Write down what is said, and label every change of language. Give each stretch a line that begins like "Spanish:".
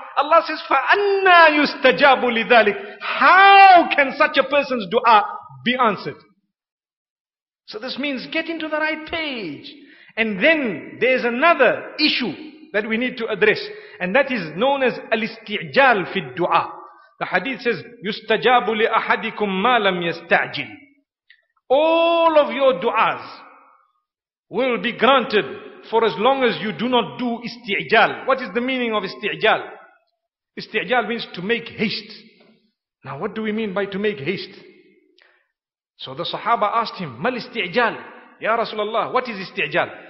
English: Allah says,
Arabic: fa anna yustajabu lidhalik.
English: How can such a person's dua be answered? So this means get into the right page. And then there's another issue that we need to address, and that is known as al-isti'jal fi dua. The hadith says,
Arabic: يُسْتَجَابُ لِأَحَدِكُمْ مَا لَمْ يَسْتَعْجِلْ.
English: All of your du'as will be granted for as long as you do not do isti'jal. What is the meaning of isti'jal? Isti'jal means to make haste. Now what do we mean by to make haste? So the Sahaba asked him,
Arabic: مَا الْإِسْتِعْجَالِ
English: Ya Rasulullah, what is isti'jal?